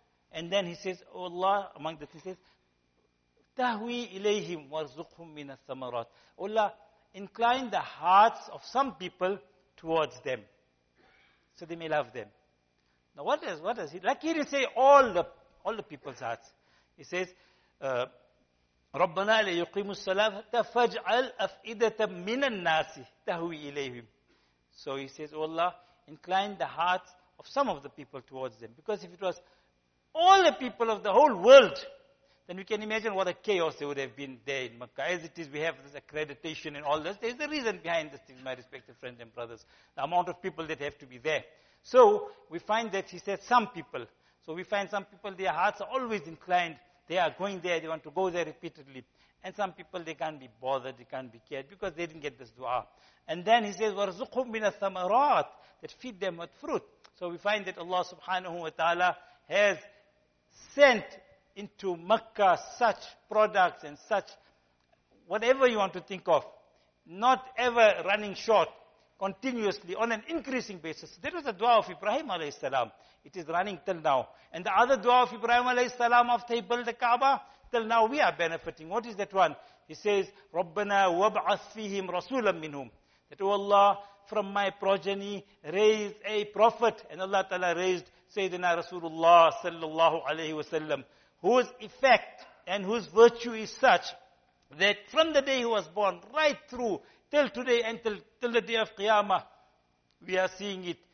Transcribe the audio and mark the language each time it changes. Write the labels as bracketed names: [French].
[English] And then he says, oh Allah, among the things, he says, Tahwi ilayhim warzuqhum min al-thamarat. Oh Allah, incline the hearts of some people towards them, so they may love them. Now what does he, like he didn't say all the people's hearts. [Arabic] He says, رَبَّنَا لَيُقِيمُ الصَّلَاةَ فَاجْعَلْ أَفْئِدَةً مِنَ النَّاسِ تَهُوِي إِلَيْهِمْ. [English] So he says, oh Allah, incline the hearts of some of the people towards them. Because if it was all the people of the whole world, then we can imagine what a chaos there would have been there in Makkah. As it is, we have this accreditation and all this. There's a reason behind this thing, my respected friends and brothers. The amount of people that have to be there. So we find that he said some people. So we find some people, their hearts are always inclined. They are going there, they want to go there repeatedly. And some people, they can't be bothered, they can't be cared, because they didn't get this dua. And then he says, وَرْزُقْهُمْ مِنَ الثَّمَرَاتِ, that feed them with fruit. So we find that Allah subhanahu wa ta'ala has sent into Makkah such products and such, whatever you want to think of, not ever running short, continuously, on an increasing basis. That was the dua of Ibrahim alayhi salam. It is running till now. And the other dua of Ibrahim alayhi salam after he built the Kaaba, Till now we are benefiting. What is that one? [Arabic] He says, رَبَّنَا وَبْعَثْ فِيهِمْ رَسُولًا مِّنْهُمْ. [English] That, O Allah, from my progeny, raise a prophet. And Allah Ta'ala raised Sayyidina Rasulullah sallallahu alayhi wa sallam, whose effect and whose virtue is such that from the day he was born right through till today and till the day of Qiyamah, we are seeing it.